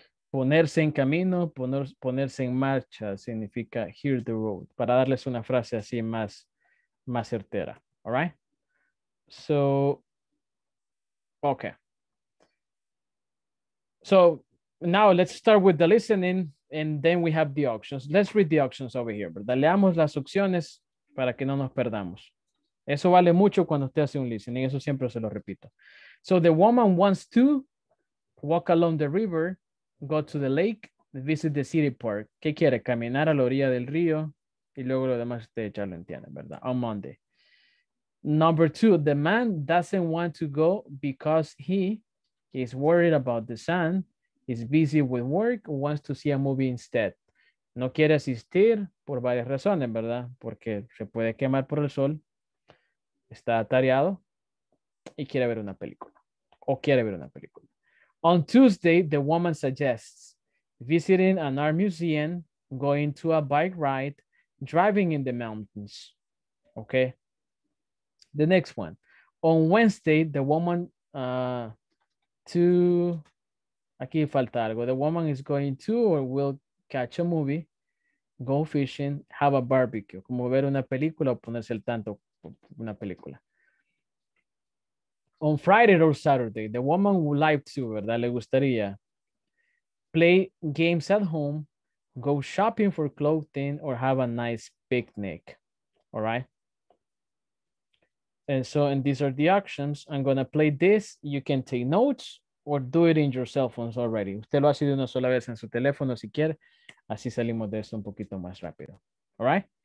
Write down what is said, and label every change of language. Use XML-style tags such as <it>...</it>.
<es>Ponerse en camino, ponerse en marcha, significa</es> <en>hear the road,</en> <es>para darles una frase así más certera,</es> <en>all right? So, okay. So now let's start with the listening and then we have the options. Let's read the options over here,</en> <es>¿verdad? Leamos las opciones para que no nos perdamos. Eso vale mucho cuando usted hace un listening, eso siempre se lo repito.</es> <en>So the woman wants to walk along the river, go to the lake, visit the city park.</en> <es>¿Qué quiere? Caminar a la orilla del río y luego lo demás usted ya lo entiende, ¿verdad?</es> <en>On Monday. Number two, the man doesn't want to go because he is worried about the sun, is busy with work, wants to see a movie instead.</en> <es>No quiere asistir por varias razones, ¿verdad? Porque se puede quemar por el sol, está atareado y quiere ver una película. O quiere ver una película.</es> <en>On Tuesday, the woman suggests visiting an art museum, going to a bike ride, driving in the mountains. Okay. The next one. On Wednesday, the woman</en> <es>aquí falta algo.</es> <en>The woman is going to or will catch a movie, go fishing, have a barbecue.</en> <es>Como ver una película o ponerse el tanto una película.</es> <en>On Friday or Saturday, the woman would like to,</en> <es>¿verdad? Le gustaría</es> <en>play games at home, go shopping for clothing, or have a nice picnic, all right? And so, and these are the options. I'm going to play this. You can take notes or do it in your cell phones already.</en> <es>Usted lo hace de una sola vez en su teléfono si quiere. Así salimos de esto un poquito más rápido,</es> <en>all right?</en>